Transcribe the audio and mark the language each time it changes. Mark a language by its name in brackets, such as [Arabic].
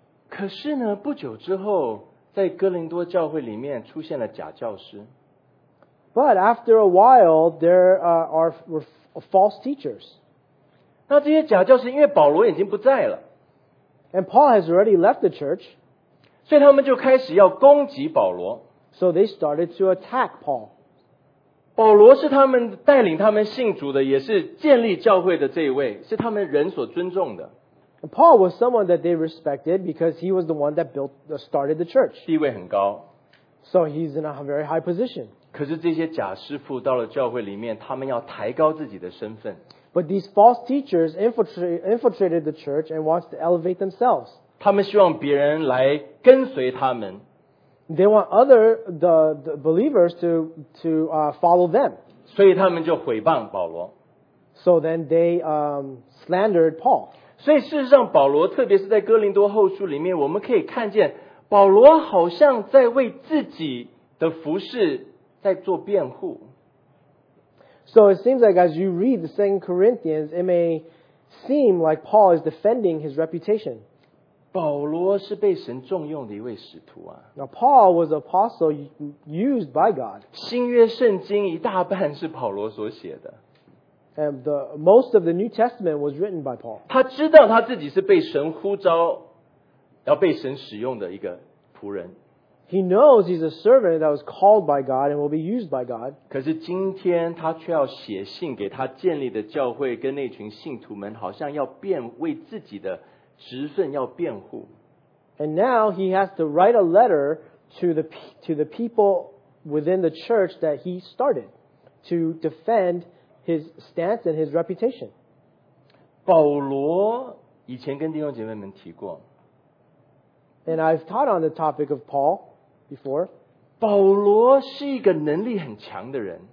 [Chinese] 可是呢，不久之后，在哥林多教会里面出现了假教师。 [English] But after a while, there were false teachers. [Chinese] 那这些假教师因为保罗已经不在了。 [English] And Paul has already left the church. [Chinese] 所以他们就开始要攻击保罗。 [English] So they started to attack Paul. [Chinese] 保罗是他们带领他们信主的，也是建立教会的这一位，是他们人所尊重的。 [English] Paul was someone that they respected because he was the one that started the church. [Chinese] 地位很高。 [English] So he's in a very high position. [Chinese] 可是这些假师傅到了教会里面，他们要抬高自己的身份。 [English] But these false teachers infiltrated the church and wants to elevate themselves. [Chinese] 他们希望别人来跟随他们。 [English] They want the believers to follow them. [Chinese] 所以他们就毁谤保罗。 [English] So then they slandered Paul. [Chinese] 所以事实上保罗特别是在哥林多后书里面我们可以看见保罗好像在为自己的服事在做辩护。 [English] So it seems like as you read the 2 Corinthians, it may seem like Paul is defending his reputation. [Chinese] 保罗是被神重用的一位使徒啊。 [English] Now Paul was an apostle used by God. [Chinese] 新约圣经一大半是保罗所写的。 [English] And most of the New Testament was written by Paul. [Chinese] 他知道他自己是被神呼召，要被神使用的一个仆人。 [English] He knows he's a servant that was called by God and will be used by God. [Chinese] 可是今天他却要写信给他建立的教会跟那群信徒们，好像要辩为自己的职分要辩护。 [English] And now he has to write a letter to the people within the church that he started to defend his stance and his reputation. [Chinese] 保罗以前跟弟兄姐妹们提过。 [English] And I've taught on the topic of Paul before. [Chinese] 保罗是一个能力很强的人。